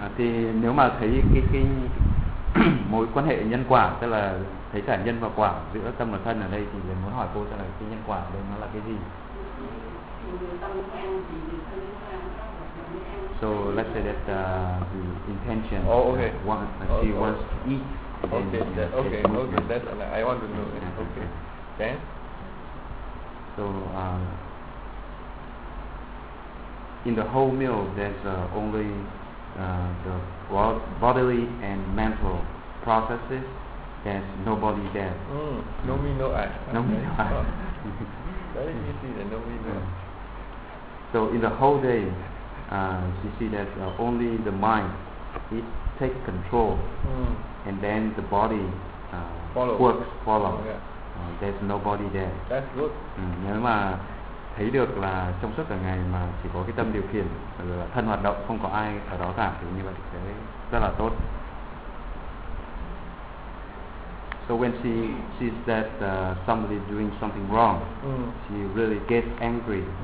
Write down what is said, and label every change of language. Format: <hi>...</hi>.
<vi>Thì nếu mà thấy cái mối quan hệ nhân quả, tức là thấy cả nhân và quả giữa tâm và thân ở đây, thì muốn hỏi cô rằng là cái nhân quả đây nó là cái gì?</vi> <en>So let's say that the intention, she wants to eat, Okay, that, okay, that, I want to know. Okay, then. So, in the whole meal, there's only the bodily and mental processes. There's nobody there. Mm. No me, no I. No me, no I. Very easy, and no me, no. So, in the whole day, you see that only the mind, it takes control. Mm. And then the body follows. There's nobody there. That's good.</en> <vi>Nếu mà thấy được là trong suốt cả ngày mà chỉ có cái tâm điều khiển, là thân hoạt động, không có ai ở đó cả, thì như vậy sẽ rất là tốt.</vi> <en>So when she sees that somebody doing something wrong, she really gets angry.</en>